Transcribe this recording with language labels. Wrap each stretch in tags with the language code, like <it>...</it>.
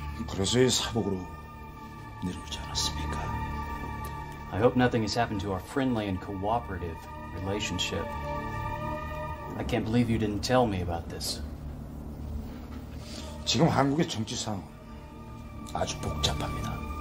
<ko>그래서 이 사복으로 내려오지 않았습니까?</ko> <en>I hope nothing has happened to our friendly and cooperative relationship. I can't believe you didn't tell me about this.</en> <ko>지금 한국의 정치 상황 아주 복잡합니다.</ko>